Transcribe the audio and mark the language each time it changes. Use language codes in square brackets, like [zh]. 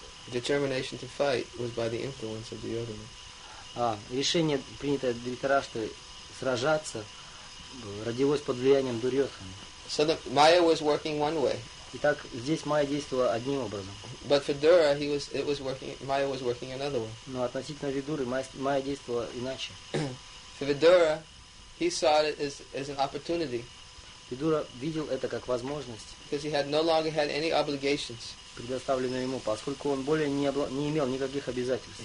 [en] determination to fight was by the influence of Duryodhana. [ru] Решение, принятое Дхритарашты сражаться, родилось под влиянием Дурьотхана. [en] So the Maya was working one way. [ru] Итак, здесь Майя действовала одним образом. [en] But for Dura, Maya was working another way. [ru] Но относительно Видуры, Майя действовала иначе. [en] For Vidura, he saw it as an opportunity. [ru] Видура видел это как возможность. [en] Because he had no longer had any obligations. [ru] Предоставленные ему, поскольку он более не имел никаких обязательств.